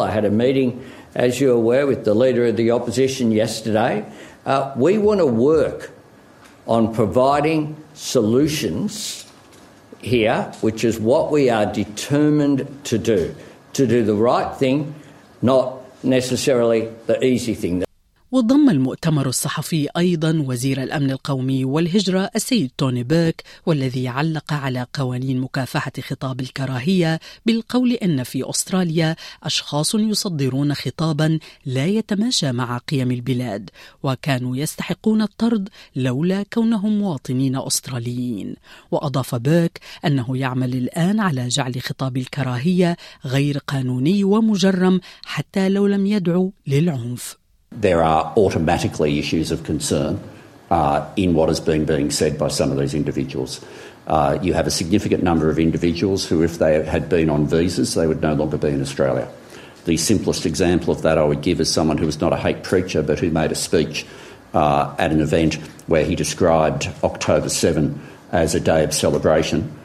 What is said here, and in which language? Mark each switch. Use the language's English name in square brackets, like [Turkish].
[English] I had a meeting, as you're aware, with the Leader of the Opposition yesterday. We want to work on providing solutions here, which is what we are determined to do the right thing, not necessarily the easy thing. [Arabic] وضم المؤتمر الصحفي أيضا وزير الأمن القومي والهجرة السيد توني بيرك، والذي علق على قوانين مكافحة خطاب الكراهية بالقول أن في أستراليا أشخاص يصدرون خطابا لا يتماشى مع قيم البلاد وكانوا يستحقون الطرد لولا كونهم مواطنين أستراليين. وأضاف بيرك أنه يعمل الآن على جعل خطاب الكراهية غير قانوني ومجرم حتى لو لم يدعو للعنف. [English] There are automatically issues of concern in what has been being said by some of these individuals. You have a significant number of individuals who, if they had been on visas, they would no longer be in Australia. The simplest example of that I would give is someone who was not a hate preacher, but who made a speech at an event where he described October 7 as a day of celebration.